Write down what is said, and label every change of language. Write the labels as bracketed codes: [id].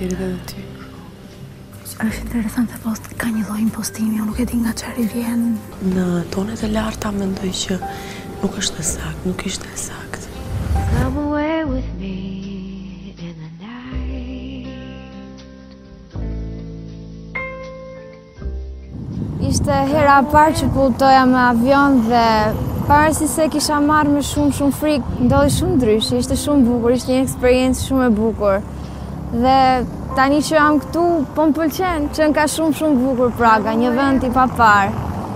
[sq] interesante post, ka një lloj impostimi, unë nuk e di nga çfarë vjen. Në tonet e larta mendoj që nuk është e saktë, nuk ishte e saktë. [en] Come away with me in the night. [sq] Ishte hera e parë që kultoja me avion dhe pavarësi se kisha marrë me shumë frikë, ndodhi shumë ndryshe, ishte shumë bukur, ishte një eksperiencë shumë e bukur. Dhe tani që jam këtu, po më pëlqen, qënë ka shumë bukur Praga, një vend i paparë.